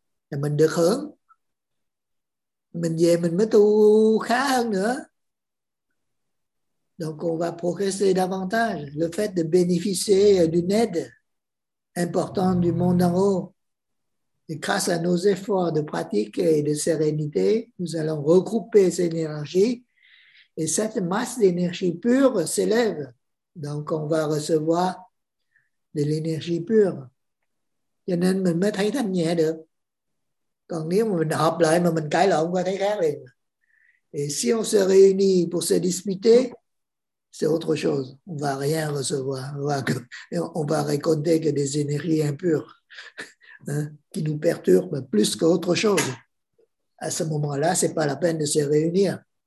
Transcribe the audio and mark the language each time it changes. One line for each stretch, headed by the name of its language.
Vietnamese: Là mình được hưởng. Mình về mình mới tu khá hơn nữa.
French: Donc on va progresser davantage. Le fait de bénéficier d'une aide importante du monde d'en haut. Et grâce à nos efforts de pratique et de sérénité, nous allons regrouper ces énergies et cette masse d'énergie pure s'élève. Donc, on va recevoir de l'énergie pure.
Vietnamese: Cho nên mình mới thấy thanh nhẹ được. Còn nếu mà mình hợp lại mà mình cãi lộn, mình thấy khác liền.
French: Et si on se réunit pour se disputer, c'est autre chose. On va rien recevoir. On va récolter que des énergies impures. Hein, qui nous perturbe plus qu'autre chose. À ce moment-là, ce n'est pas la peine de se réunir.